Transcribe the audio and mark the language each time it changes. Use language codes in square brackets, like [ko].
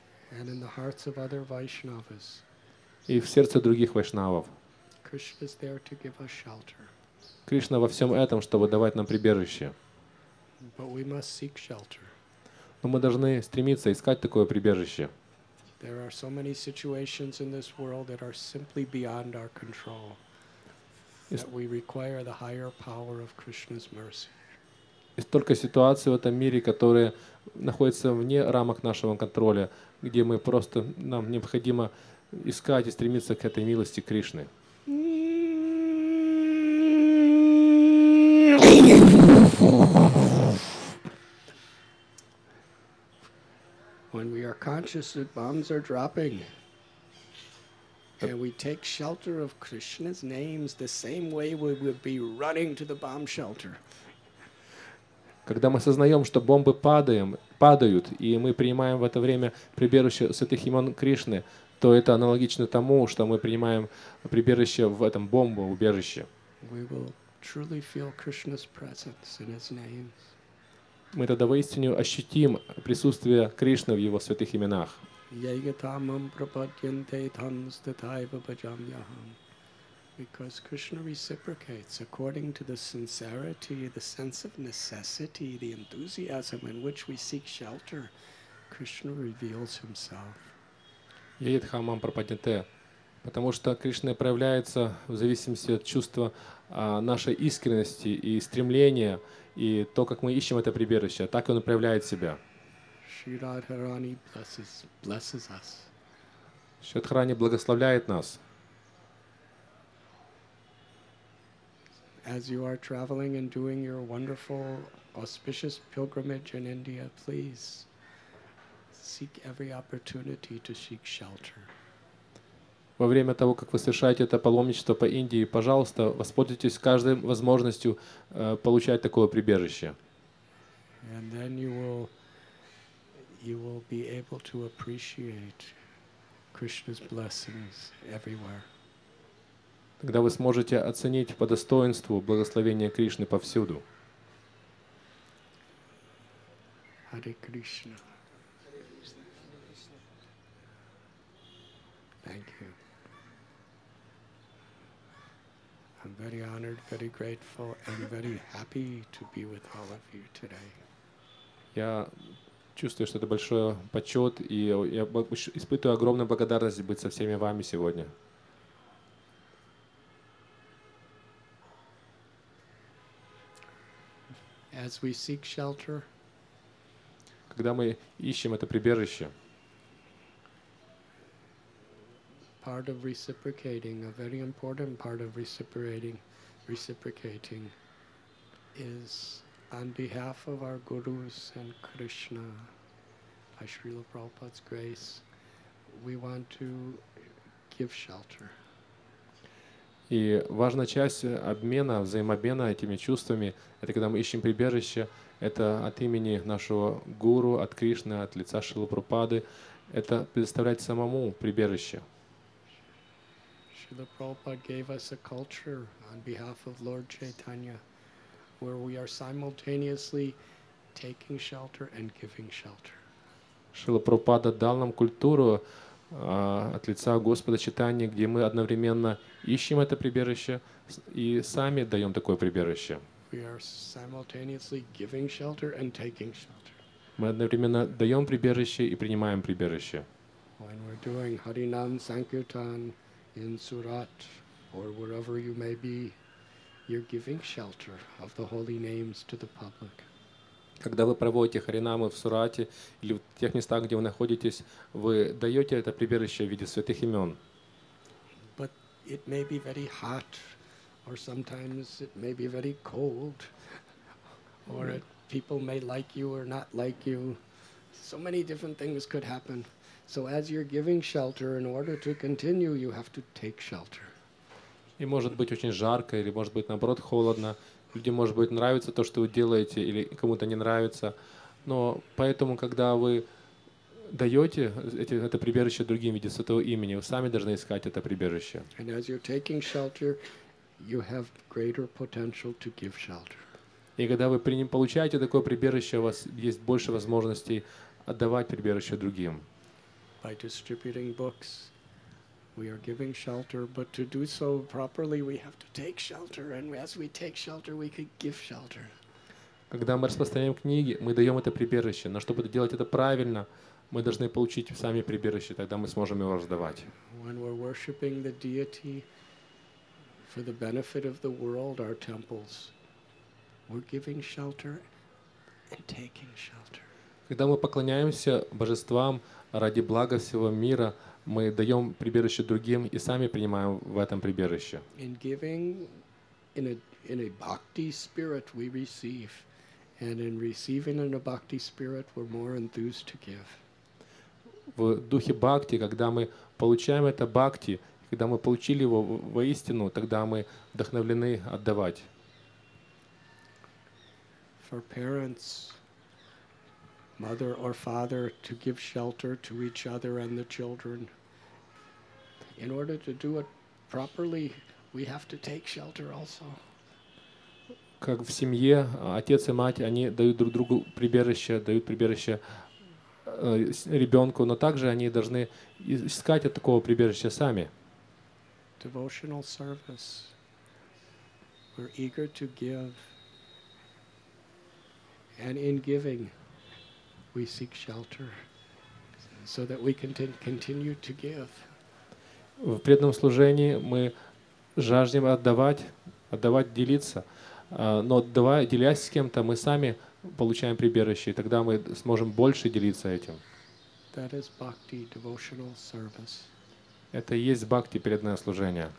[en] And in the hearts of other Vaishnavas. [ru] И в сердце других вайшнавов. [en] Krishna is there to give us shelter. [ru] Кришна во всем этом, чтобы давать нам прибежище. [en] But we must seek shelter. [ru] Но мы должны стремиться искать такое прибежище. [en] There are so many situations in this world that are simply beyond our control. That we require the higher power of Krishna's mercy. [ru] И столько ситуаций в этом мире, которые находятся вне рамок нашего контроля, где мы просто, нам необходимо искать и стремиться к этой милости Кришны. [en] When we are conscious that bombs are dropping, and we take shelter of Krishna's names the same way we would be running to the bomb shelter. [ru] Когда мы осознаем, что бомбы падают, и мы принимаем в это время прибежище святых имен Кришны, то это аналогично тому, что мы принимаем прибежище в этом бомбоубежище. [en] We will truly feel Krishna's presence in His names. [ru] Мы тогда воистину ощутим присутствие Кришны в Его святых именах. [sa] Yayatamam prapadyante tam stathaiva bhajamyaham. [en] Because Krishna reciprocates according to the sincerity, the sense of necessity, the enthusiasm in which we seek shelter, Krishna reveals Himself. [sa] Yayadhamam prapadyante, [ru] потому что Кришна проявляется в зависимости от чувства нашей искренности и стремления и то, как мы ищем это прибежище, так Он проявляет себя. [en] Shri Radharani blesses us. [ru] Shri Radharani благословляет нас. [en] As you are traveling and doing your wonderful, auspicious pilgrimage in India, please seek every opportunity to seek shelter. [ru] Во время того, как вы совершаете это паломничество по Индии, пожалуйста, воспользуйтесь каждой возможностью получать такое прибежище. [en] And then you will be able to appreciate Krishna's blessings everywhere. [ru] Когда вы сможете оценить по достоинству благословение Кришны повсюду. [en] Hare Krishna. Thank you. I'm very honored, very grateful, and very happy to be with all of you today. [ru] Я чувствую, что это большой почет, и я испытываю огромную благодарность быть со всеми вами сегодня. [en] As we seek shelter, [ru] когда мы ищем это прибежище, [en] part of reciprocating, a very important part of reciprocating, is on behalf of our gurus and Krishna, by Srila Prabhupada's grace, we want to give shelter. [ru] И важная часть обмена, взаимообмена этими чувствами, это когда мы ищем прибежище, это от имени нашего гуру, от Кришны, от лица Шрилы Прабхупады, это предоставлять самому прибежище. [en] Шрила Прабхупада gave us a culture on behalf of Lord Chaitanya, where we are simultaneously taking shelter and giving shelter. [ru] Шрила Прабхупада дал нам культуру от лица Господа читание, где мы одновременно ищем это прибежище и сами даем такое прибежище. [en] We are simultaneously giving shelter and taking shelter. [ru] Мы одновременно даем прибежище и принимаем прибежище. [en] When we're doing Harinam Sankirtan in Surat or wherever you may be, you're giving shelter of the holy names to the public. [ru] Когда вы проводите харинамы в Сурате или в тех местах, где вы находитесь, вы даете это прибежище в виде святых имен. [en] But it may be very hot, or sometimes it may be very cold, or people may like you or not like you. So many different things could happen. So as you're giving shelter, in order to continue, you have to take shelter. [ru] И может быть очень жарко, или может быть наоборот холодно. Людям, может быть, нравится то, что вы делаете, или кому-то не нравится. Но поэтому, когда вы даете это прибежище другим в виде святого имени, вы сами должны искать это прибежище. [en] And as you're taking shelter, you have greater potential to give shelter. [ru] И когда вы получаете такое прибежище, у вас есть больше возможностей отдавать прибежище другим. [en] By distributing books, we are giving shelter, but to do so properly, we have to take shelter, and as we take shelter, we could give shelter. [ru] Когда мы распространяем книги, мы даем это прибежище. Но чтобы делать это правильно, мы должны получить сами прибежище, тогда мы сможем его раздавать. [en] When we're worshiping the deity for the benefit of the world, our temples, we're giving shelter and taking shelter. [ru] Когда мы поклоняемся божествам ради блага всего мира, мы даем прибежище другим и сами принимаем в этом прибежище. [en] In giving, in a bhakti spirit, we receive, and in receiving in a bhakti spirit, we're more enthused to give. [ru] В духе бхакти, когда мы получаем это бхакти, когда мы получили его воистину, тогда мы вдохновлены отдавать. [en] For parents, mother or father, to give shelter to each other and the children. In order to do it properly, we have to take shelter also. [ru] Как в семье отец и мать, они дают друг другу прибежище, дают прибежище ребенку, но также они должны искать от такого прибежища сами. [en] Devotional service. We're eager to give. And in giving, we seek shelter so that we can continue to give. [ru] В преданном служении мы жаждем отдавать, делиться. Но делясь с кем-то, мы сами получаем прибежище, и тогда мы сможем больше делиться этим. [en] That is bhakti, devotional service. [ru] Это и есть бхакти, преданное служение.